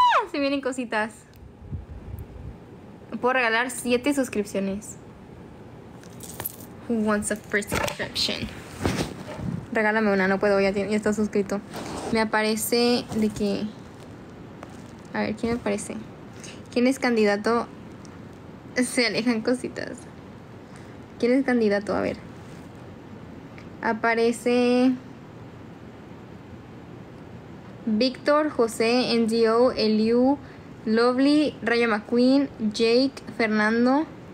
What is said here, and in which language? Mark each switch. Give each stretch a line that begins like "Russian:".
Spanish: Se vienen cositas. Puedo regalar 7 suscripciones.
English: Who wants a free subscription?
Spanish: Regálame una, no puedo, ya está suscrito. Me aparece de que... A ver, ¿quién me aparece? ¿Quién es candidato? Se alejan cositas. ¿Quién es candidato? A ver. Aparece Víctor, José, NGO, Eliu, Lovely, Raya McQueen, Jake, Fernando.